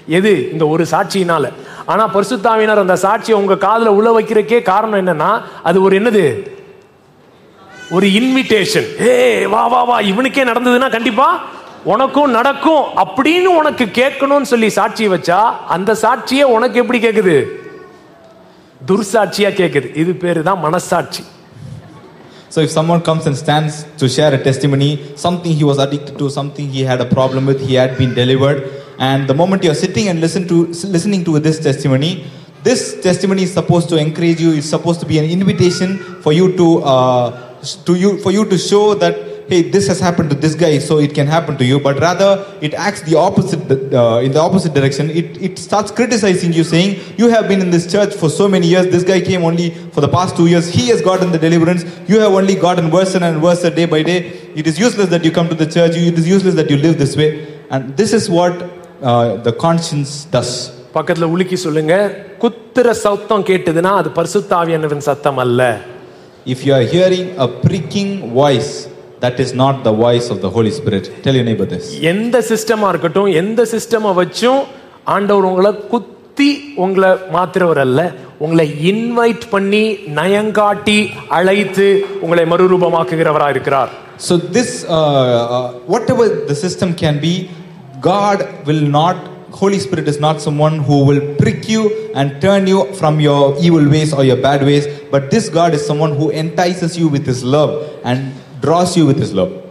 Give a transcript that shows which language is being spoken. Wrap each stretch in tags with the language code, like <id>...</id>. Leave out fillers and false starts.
<ta>எது இந்த ஒரு சாட்சியினால? ஆனா பரிசுத்தாவியனர் அந்த சாட்சியை உங்க காதல உள்ள வைக்கிறக்கே காரணம் என்னன்னா அது ஒரு என்னது, ஒரு இன்விடேஷன். ஏ வா வா வா, இவனுக்கே நடந்ததுன்னா கண்டிப்பா உனக்கும் நடக்கும் அப்படின்னு உனக்கு கேட்கணும்னு சொல்லி சாட்சி வச்சா அந்த சாட்சியே உனக்கு எப்படி கேக்குது, துர்சாட்சியா கேக்குது. இது பேரு தான் மனசாட்சி.</ta> <en>So if someone comes and stands to share a testimony, something he was addicted to, something he had a problem with, he had been delivered, and the moment you are sitting and listening to this testimony, this testimony is supposed to encourage you. It's supposed to be an invitation for you to show that, hey, this has happened to this guy, so it can happen to you. But rather, it acts the opposite, in the opposite direction. It starts criticizing you, saying, you have been in this church for so many years. This guy came only for the past 2 years. He has gotten the deliverance. You have only gotten worse and worse day by day. It is useless that you come to the church. It is useless that you live this way. And this is what the conscience does.</en> <ta>பக்கத்துல உலுக்கி சொல்லுங்க, குத்துற சத்தம் கேட்டதுன்னா அது பரிசுத்த ஆவியானவரின் சத்தம் அல்ல.</ta> <en>If you are hearing a pricking voice, that is not the voice of the Holy Spirit. Tell your neighbor this.</en> <ta>எந்த சிஸ்டமா இருக்கட்டும், எந்த சிஸ்டம வச்சும் ஆண்டவர் உங்களை குத்தி உங்களை மாத்திரவர் அல்ல. உங்களை இன்வைட் பண்ணி நயங்காட்டி அழைத்து உங்களை மறுரூபமாக்குகிறவரா இருக்கிறார்.</ta> <en>So this whatever the system can be, God will not, Holy Spirit is not someone who will prick you and turn you from your evil ways or your bad ways, but this God is someone who entices you with his love and draws you with his love.</en>